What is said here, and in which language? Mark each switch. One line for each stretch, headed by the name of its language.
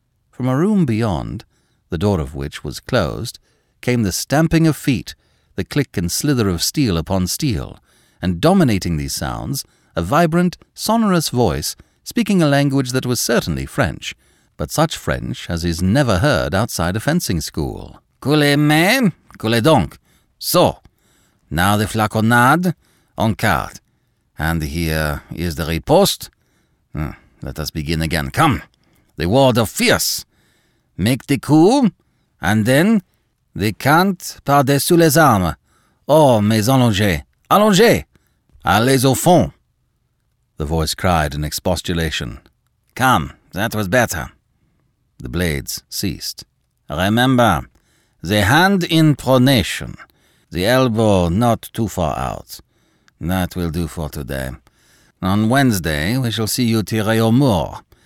English: From a room beyond, the door of which was closed, came the stamping of feet, the click and slither of steel upon steel, and dominating these sounds, a vibrant, sonorous voice, speaking a language that was certainly French, but such French as is never heard outside a fencing school.
French: Coulez même, coulez donc.
English: So, now the flaconade, en carte. And here is the riposte. Let us begin again. Come, the word of fierce. Make the coup, and then the cant
French: par-dessous les armes. Oh, mes allongés, allongés, allez au fond.
English: The voice cried in expostulation. Come, that was better. The blades ceased. Remember, the hand in pronation, the elbow not too far out. That will do for today. On Wednesday, we shall see you
French: tirer au mur.